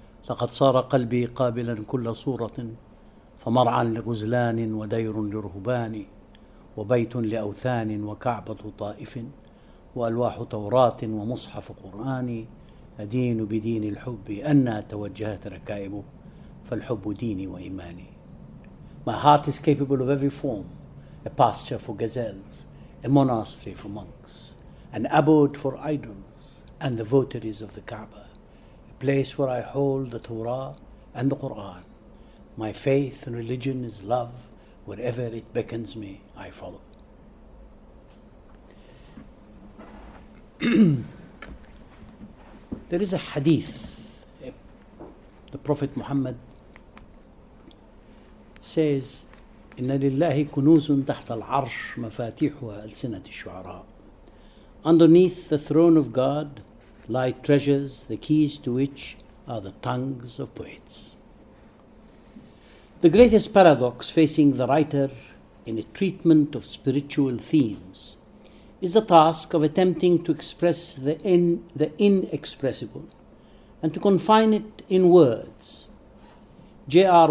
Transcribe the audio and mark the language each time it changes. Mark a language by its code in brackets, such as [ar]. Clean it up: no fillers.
[ar] لقد صار قلبي قابلا كل صورة فمرعا لغزلان ودير لرهبان وبيت لأوثان وكعبة طائف وألواح توراة ومصحف قرآن أدين بدين الحب أنا توجهت ركائبه فالحب ديني وإيماني. [en] My heart is capable of every form, a pasture for gazelles, a monastery for monks, an abode for idols and the votaries of the Kaaba, a place where I hold the Torah and the Quran, My faith and religion is love. Wherever it beckons me, I follow. There is a hadith. The Prophet Muhammad says, [ar] إِنَّ لِلَّهِ كُنُوزٌ تَحْتَ الْعَرْشِ مَفَاتِيحُهَا أَلْسِنَةِ الشُّعَرَاءِ. [en] Underneath the throne of God lie treasures, the keys to which are the tongues of poets. The greatest paradox facing the writer in a treatment of spiritual themes is the task of attempting to express the inexpressible and to confine it in words. J.R.